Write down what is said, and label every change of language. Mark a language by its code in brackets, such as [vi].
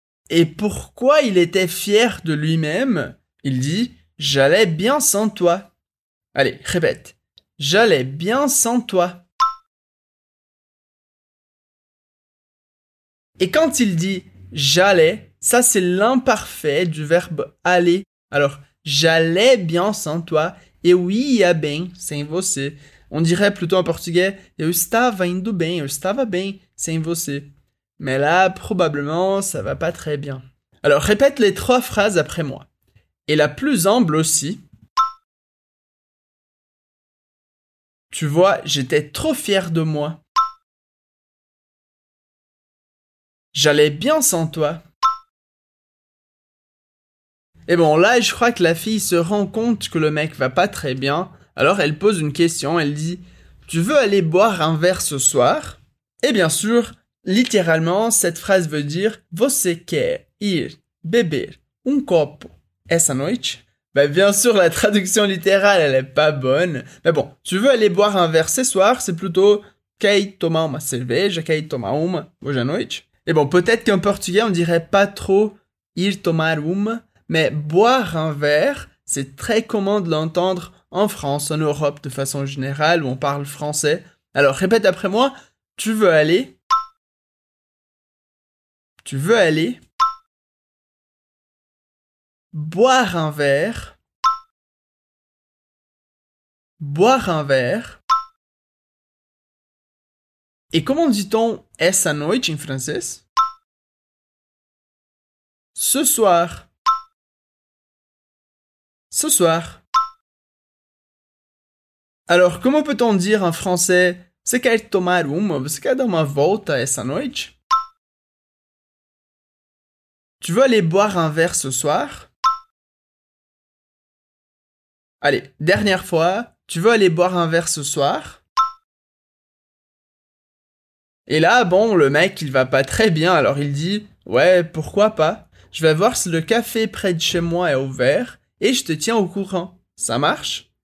[fr] Et pourquoi il était fier de lui-même, il dit « J'allais bien sans toi ». Allez, répète. « J'allais bien sans toi ». Et quand il dit « j'allais », ça c'est l'imparfait du verbe « aller ». Alors, « j'allais bien sans toi ». Et oui, il y a bien, [pt] sem você. [fr] On dirait plutôt en portugais, [pt] eu estava indo bem, eu estava bem, sem você. [fr] Mais là, probablement, ça va pas très bien. Alors, répète les trois phrases après moi. Et la plus humble aussi. Tu vois, j'étais trop fier de moi. J'allais bien sans toi. Et bon, là, je crois que la fille se rend compte que le mec va pas très bien. Alors, elle pose une question, elle dit « Tu veux aller boire un verre ce soir ?» Et bien sûr, littéralement, cette phrase veut dire « [pt] Você quer ir beber un copo essa noite ?» [fr] Ben, bien sûr, la traduction littérale, elle est pas bonne. Mais bon, « Tu veux aller boire un verre ce soir ?» [pt] C'est plutôt « Quer tomar uma cerveja ?»« Quer tomar uma hoje à noite ?» [fr] Et bon, peut-être qu'en portugais, on dirait pas trop « [pt] ir tomar uma ». [fr] Mais boire un verre, c'est très commun de l'entendre en France, en Europe, de façon générale, où on parle français. Alors, répète après moi. Tu veux aller? Tu veux aller? Boire un verre? Boire un verre? Et comment dit-on « [pt] essa noite [fr] » en français? Ce soir. Ce soir. Alors, comment peut-on dire en français « [pt] Você quer tomar uma? Você quer dar uma volta essa noite? [fr] » Tu veux aller boire un verre ce soir? Allez, dernière fois. Tu veux aller boire un verre ce soir? Et là, bon, le mec, il va pas très bien. Alors, il dit « Ouais, pourquoi pas? Je vais voir si le café près de chez moi est ouvert. » Et je te tiens au courant. Ça marche?